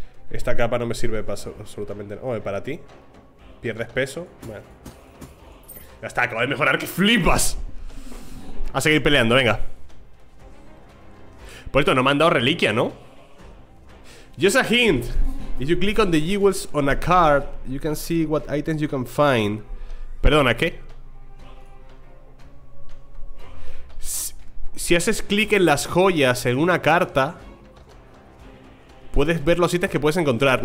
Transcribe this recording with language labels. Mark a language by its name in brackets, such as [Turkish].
[Spanish] Esta capa no me sirve para absolutamente nada. Para ti. Pierdes peso. Bueno. Ya está, acabo de mejorar. ¡Que flipas! A seguir peleando, venga. Por esto, no me han dado reliquia, ¿no? [English] Just a hint. If you click on the jewels on a card, you can see what items you can find. [Spanish] Perdona, ¿qué? Si haces clic en las joyas en una carta, puedes ver los ítems que puedes encontrar.